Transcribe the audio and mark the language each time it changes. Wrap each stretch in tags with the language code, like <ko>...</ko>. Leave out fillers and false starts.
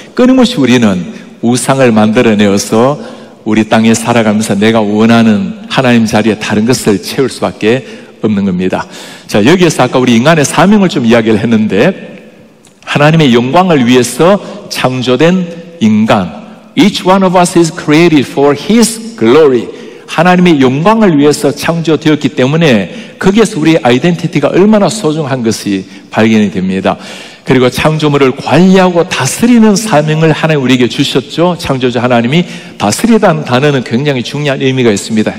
<ko>끊임없이 우리는 우상을 만들어내어서 우리 땅에 살아가면서 내가 원하는 하나님 자리에 다른 것을 채울 수밖에 없는 겁니다. 자, 여기에서 아까 우리 인간의 사명을 좀 이야기를 했는데 하나님의 영광을 위해서 창조된 인간.</ko> <en>Each one of us is created for His glory.</en> <ko>하나님의 영광을 위해서 창조되었기 때문에 거기에서 우리의 아이덴티티가 얼마나 소중한 것이 발견이 됩니다. 그리고 창조물을 관리하고 다스리는 사명을 하나님 우리에게 주셨죠. 창조주 하나님이 다스리다는 단어는 굉장히 중요한 의미가 있습니다.</ko>